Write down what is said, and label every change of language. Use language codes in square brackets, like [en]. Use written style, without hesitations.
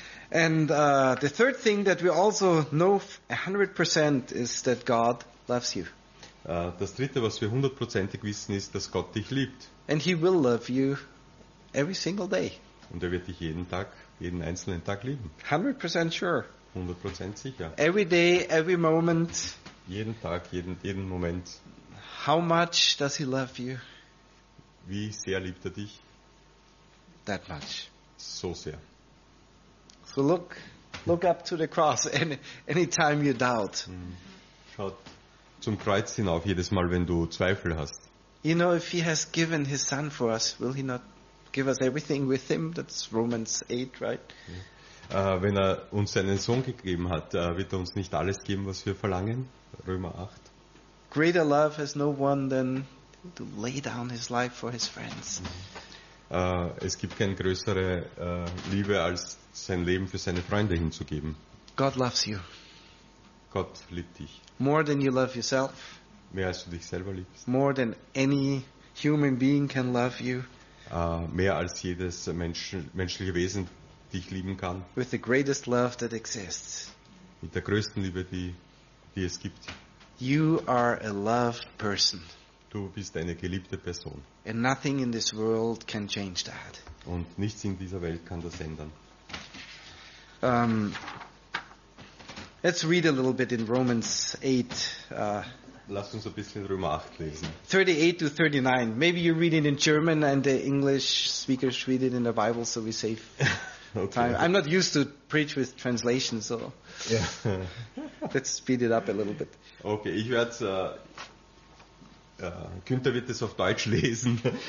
[en] And the third thing that we also know 100% is that God loves you. [de] Das dritte, was wir 100%ig wissen, ist, dass Gott dich liebt. [en] And he will love you every single day. [de] Und wird dich jeden Tag, jeden einzelnen Tag lieben. [en] 100% sure. [de] 100% sicher. [en] Every day, every moment. [de] Jeden Tag, jeden Moment. [en] How much does he love you? [de] Wie sehr liebt er dich? [en] That much. [de] So sehr. [en] So look up to the cross any time you doubt. [de] Schaut zum Kreuz hinauf jedes Mal, wenn du Zweifel hast. [en] You know, if he has given his son for us, will he not give us everything with him? That's Romans 8, right? [de] Wenn er uns seinen Sohn gegeben hat, wird er uns nicht alles geben, was wir verlangen? Römer 8. [en] Greater love has no one than to lay down his life for his friends. [de] Es gibt keine größere Liebe, als sein Leben für seine Freunde hinzugeben. [en] God loves you. [de] Gott liebt dich. [en] More than you love yourself. [de] Mehr als du dich selber liebst. [en] More than any human being can love you. [de] Mehr als jedes menschliche Wesen dich lieben kann. [en] With the greatest love that exists. [de] Mit der größten Liebe, die es gibt. [en] You are a loved person. [de] Du bist eine geliebte Person. [en] And nothing in this world can change that. [de] Und nichts in dieser Welt kann das ändern. [en] Let's read a little bit in Romans 8. [de] Lass uns ein bisschen Römer 8 lesen. [en] 38 to 39. Maybe you read it in German and the English speakers read it in the Bible, so we save okay. time. I'm not used to preach with translation, so yeah. Let's speed it up a little bit. [de] Okay, ich werde Günther wird es auf Deutsch lesen.